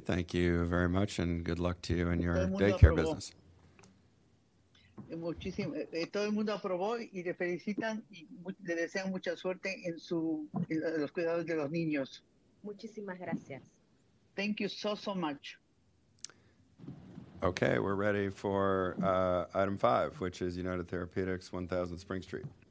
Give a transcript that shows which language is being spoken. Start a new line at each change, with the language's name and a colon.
English: Thank you very much, and good luck to you in your daycare business.
Spanish: Muchísimo. Todo el mundo aprobó y le felicitan y le desean mucha suerte en su los cuidados de los niños. Muchísimas gracias.
English: Thank you so, so much. Okay, we're ready for item 5, which is United Therapeutics, 1000 Spring Street.